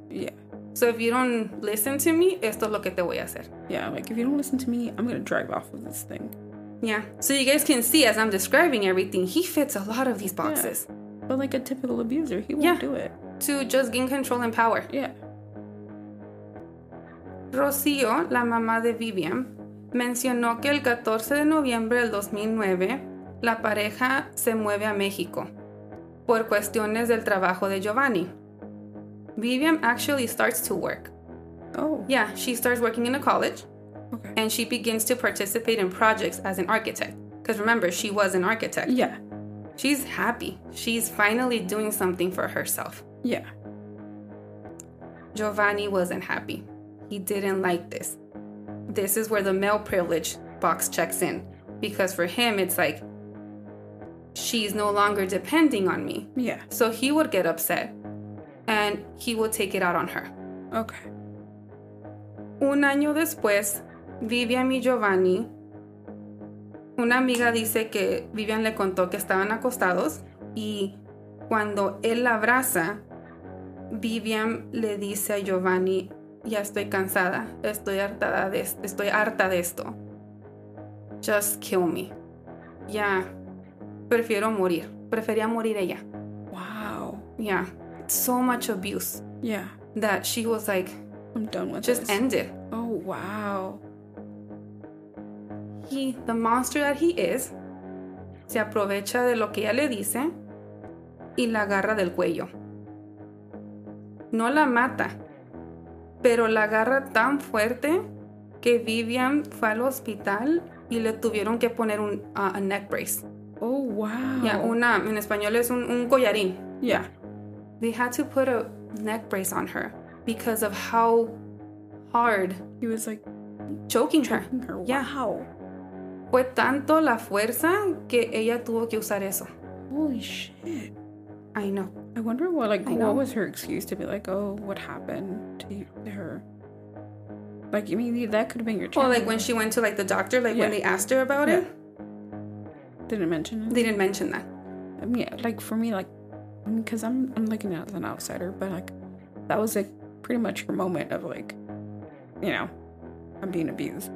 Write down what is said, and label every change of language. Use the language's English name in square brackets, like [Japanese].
[English] Yeah. So if you don't listen to me, [Spanish] esto es lo que te voy a hacer. [English] Yeah, like, if you don't listen to me, I'm gonna drive off of this thing. Yeah. So you guys can see, as I'm describing everything, he fits a lot of these boxes. Yeah. But like a typical abuser, he won't do it. To just gain control and power. Yeah. [Spanish] Rocío, la mamá de Viviam, mencionó que el 14 de noviembre del 2009, la pareja se mueve a México por cuestiones del trabajo de Giovanni. [English] Viviam actually starts to work. Oh. Yeah, she starts working in a college. Okay. And she begins to participate in projects as an architect. Because remember, she was an architect. Yeah. She's happy. She's finally doing something for herself. Yeah. Giovanni wasn't happy. He didn't like this. This is where the male privilege box checks in. Because for him, it's like, she's no longer depending on me. Yeah. So he would get upset. And he would take it out on her. Okay. [Spanish] Un año después, Viviam y Giovanni, una amiga dice que Viviam le contó que estaban acostados. Y cuando él la abraza, Viviam le dice a Giovanni, ya estoy cansada, estoy harta de esto. [English] Just kill me. [Spanish] Ya, prefiero morir. Prefería morir ella. [English] Wow. Yeah. So much abuse. Yeah. That she was like, I'm done with just this. End it. Oh, wow. He, the monster that he is, [Spanish] se aprovecha de lo que ella le dice y la agarra del cuello. No la mata, pero la agarra tan fuerte que Viviam fue al hospital y le tuvieron que poner un [English] a neck brace. Oh, wow. Yeah, una, en español es un collarín. Yeah. They had to put a neck brace on her because of how hard he was, like, choking her. Wow. Yeah, how? [Spanish] Fue tanto la fuerza que ella tuvo que usar eso. [English] Holy shit. I know. I wonder what was her excuse to be like, oh, what happened to her? Like, I mean, that could have been your chance. Well, like, when she went to, like, the doctor, like, when they asked her about it. Didn't mention it? They didn't mention that. I mean, like, for me, like, because I'm looking at it as an outsider, but, like, that was, like, pretty much her moment of, like, you know, I'm being abused.